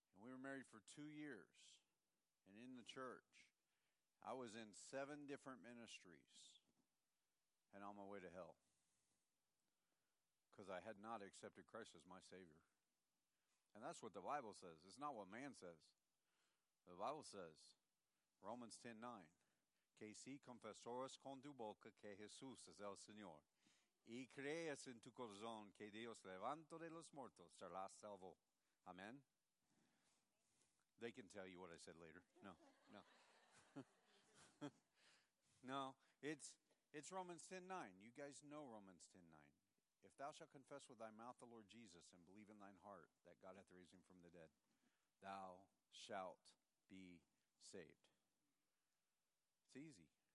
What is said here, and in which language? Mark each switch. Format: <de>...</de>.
<en>been married for 2 years, and in the church, I was in 7 different ministries and on my way to hell because I had not accepted Christ as my Savior. And that's what the Bible says. It's not what man says. The Bible says,</en> <es>Romans 10:9, que si confesores con tu boca que Jesús es el Señor y crees en tu corazón que Dios levantó de los muertos, serás salvo.</es> <en>Amen. They can tell you what I said later. No, no. No, it's Romans 10:9. You guys know Romans 10:9. If thou shalt confess with thy mouth the Lord Jesus and believe in thine heart that God hath raised him from the dead, thou shalt be saved. It's easy.</en>